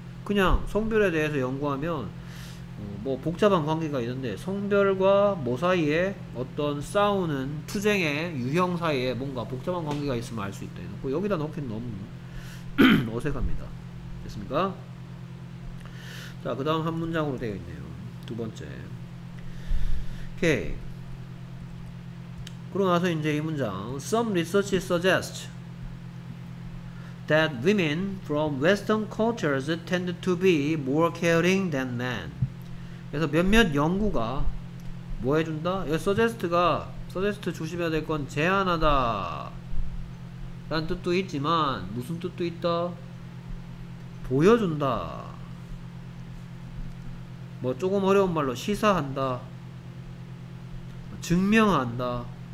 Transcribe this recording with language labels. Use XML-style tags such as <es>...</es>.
<ko>그냥 성별에 대해서 연구하면 뭐 복잡한 관계가 있는데 성별과 뭐 사이에 어떤 싸우는 투쟁의 유형 사이에 뭔가 복잡한 관계가 있으면 알 수 있다 해놓고 여기다 넣긴 너무 어색합니다. 됐습니까? 자, 그 다음 한 문장으로 되어 있네요. 두 번째. 오케이. 그러고 나서 이제 이 문장.</ko> <en>Some research suggests that women from Western cultures tend to be more caring than men.</en> <ko>그래서 몇몇 연구가 뭐 해준다? 여기 suggest가 suggest 조심해야 될 건 제안하다 라는 뜻도 있지만 무슨 뜻도 있다? 보여준다 뭐 조금 어려운 말로 시사한다 증명한다.</ko>